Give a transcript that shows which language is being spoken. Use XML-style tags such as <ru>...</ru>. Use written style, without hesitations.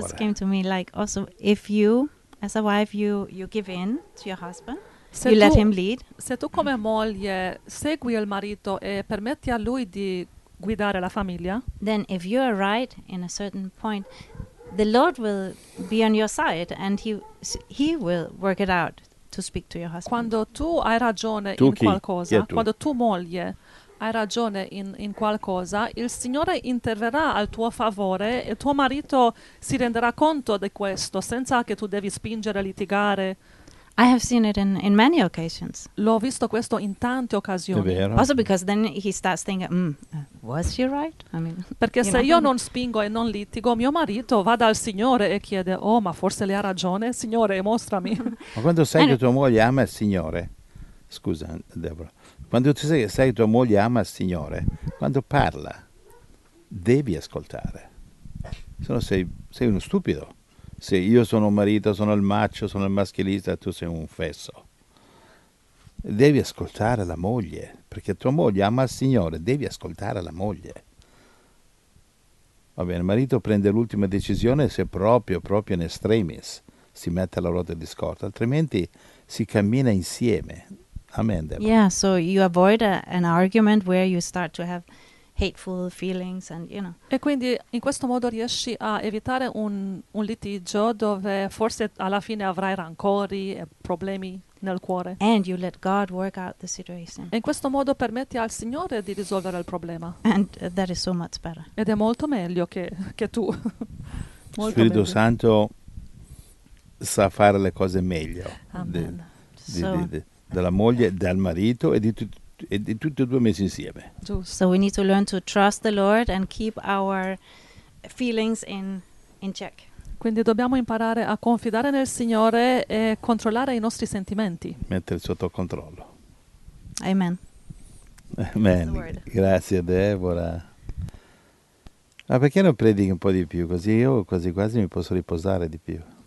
<en>Just came to me, like, also, if you, as a wife, you give in to your husband, you let him lead.</en> <it>Se tu come moglie segui il marito e permetti a lui di guidare la famiglia,</it> <en>then if you are right in a certain point, the Lord will be on your side and he will work it out to speak to your husband.</en> <it>Quando tu hai ragione in qualcosa, quando tu moglie hai ragione in qualcosa, il Signore interverrà al tuo favore e tuo marito si renderà conto di questo senza che tu devi spingere a litigare.</it> <en>I have seen it in many occasions.</en> <it>L'ho visto questo in tante occasioni. È vero.</it> <en>Also because then he starts thinking, was she right? I mean,</en> <it>perché se io non spingo e non litigo, mio marito va dal Signore e chiede, oh, ma forse lei ha ragione? Signore, mostrami. Ma quando sai che tua moglie ama il Signore, scusa Deborah, quando tu sai che tua moglie ama il Signore, quando parla, devi ascoltare. se no sei uno stupido. Se io sono un marito, sono il macho, sono il maschilista, tu sei un fesso. Devi ascoltare la moglie, perché tua moglie ama il Signore, devi ascoltare la moglie. Va bene, il marito prende l'ultima decisione se proprio, proprio in extremis si mette alla ruota di scorta, altrimenti si cammina insieme. Amen, Deborah.</it> <en>Yeah, so you avoid an argument where you start to have hateful feelings and, you know.</en> <it>E quindi in questo modo riesci a evitare un litigio dove forse alla fine avrai rancori e problemi nel cuore.</it> <en>And you let God work out the situation.</en> <it>E in questo modo permetti al Signore di risolvere il problema.</it> <en>And that is so much better.</en> <it>Ed è molto meglio che tu. Molto Spirito meglio. Santo sa fare le cose meglio. Amen. Della moglie, del marito e di tutti e due messi insieme.</it> <en>So we need to learn to trust the Lord and keep our feelings in check.</en> <it>Quindi dobbiamo imparare a confidare nel Signore e controllare i nostri sentimenti. Mettere sotto controllo. Amen. Amen. Grazie Deborah. Ma perché non predichi un po' di più? Così io quasi quasi mi posso riposare di più.</it>